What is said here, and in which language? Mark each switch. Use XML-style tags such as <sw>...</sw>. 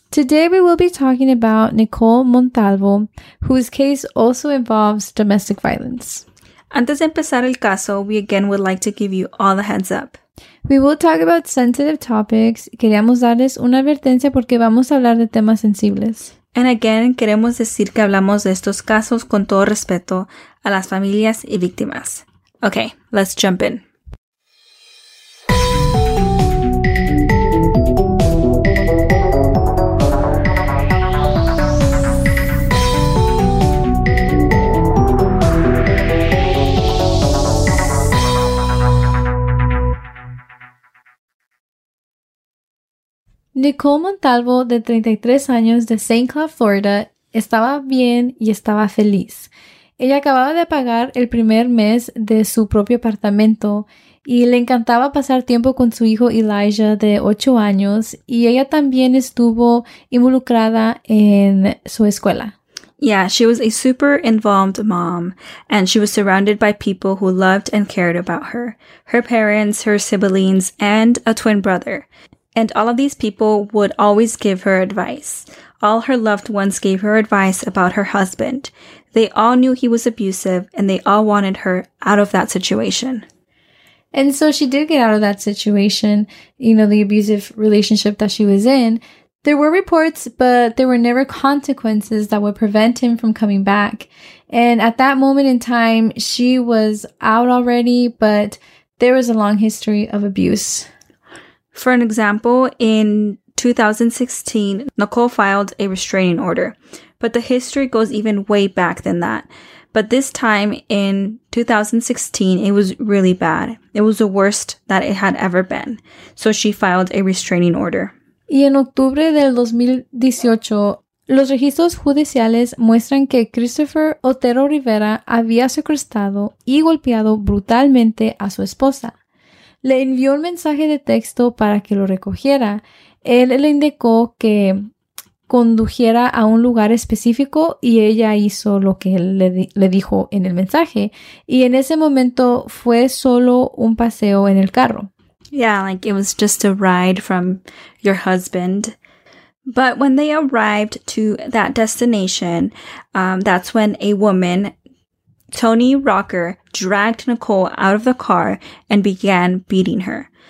<en>Today we will be talking about Nicole Montalvo, whose case also involves domestic violence.</en> <es>Antes de empezar el caso,</es> <en>we again would like to give you all a heads up. We will talk about sensitive topics.</en> <es>Queríamos darles una advertencia porque vamos a hablar de temas sensibles.</es> <en>And again,</en> <es>queremos decir que hablamos de estos casos con todo respeto a las familias y víctimas.</es> <en>Okay, let's jump in.</en> <es>Nicole Montalvo, de 33 años, de St. Cloud, Florida, estaba bien y estaba feliz. Ella acababa de pagar el primer mes de su propio apartamento y le encantaba pasar tiempo con su hijo Elijah, de 8 años, y ella también estuvo involucrada en su escuela.</es> <en>Yeah, she was a super involved mom, and she was surrounded by people who loved and cared about her. Her parents, her siblings, and a twin brother. And all of these people would always give her advice. All her loved ones gave her advice about her husband. They all knew he was abusive, and they all wanted her out of that situation. And so she did get out of that situation, you know, the abusive relationship that she was in. There were reports, but there were never consequences that would prevent him from coming back. And at that moment in time, she was out already, but there was a long history of abuse. For an example, in 2016, Nicole filed a restraining order, but the history goes even way back than that. But this time in 2016, it was really bad. It was the worst that it had ever been. So she filed a restraining order.</en> <es>Y en octubre del 2018, los registros judiciales muestran que Christopher Otero Rivera había secuestrado y golpeado brutalmente a su esposa. Le envió un mensaje de texto para que lo recogiera. Él le indicó que condujera a un lugar específico y ella hizo lo que él le dijo en el mensaje. Y en ese momento fue solo un paseo en el carro.</es> <en>Yeah, like it was just a ride from your husband. But when they arrived to that destination, that's when a woman, Tony Rocker, dragged Nicole out of the car and began beating her.</en>